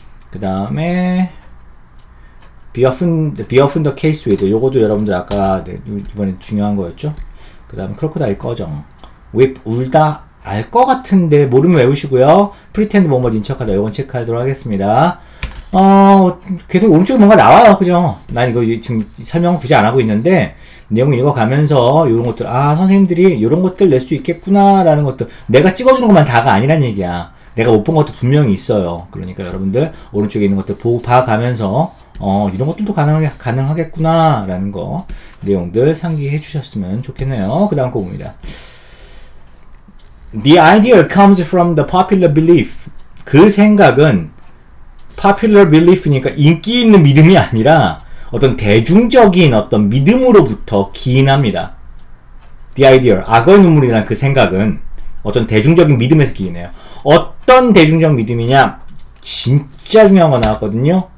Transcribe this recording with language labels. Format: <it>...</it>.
<ko>그 다음에</ko> <en>be often the case with.</en> <ko>요거도 여러분들 아까 네, 이번에 중요한 거였죠. 그 다음에 crocodile 꺼정. whip 울다. 알 거 같은데 모르면 외우시고요. pretend 뭐뭐인 척하다. 요건 체크하도록 하겠습니다. 계속 오른쪽에 뭔가 나와요. 그죠? 난 이거 지금 설명 굳이 안 하고 있는데 내용 읽어가면서 요런 것들, 아 선생님들이 요런 것들 낼 수 있겠구나 라는 것들, 내가 찍어주는 것만 다가 아니란 얘기야. 내가 못 본 것도 분명히 있어요. 그러니까 여러분들 오른쪽에 있는 것들 보고 봐가면서 이런 것들도 가능하겠구나 라는 거 내용들 상기해 주셨으면 좋겠네요. 그 다음 거 봅니다.</ko> <en>The idea comes from the popular belief.</en> <ko>그 생각은 popular belief니까 인기 있는 믿음이 아니라 어떤 대중적인 어떤 믿음으로부터 기인합니다. The idea, 악어의 눈물이란 그 생각은 어떤 대중적인 믿음에서 기인해요. 어떤 대중적 믿음이냐? 진짜 중요한 거 나왔거든요.</ko>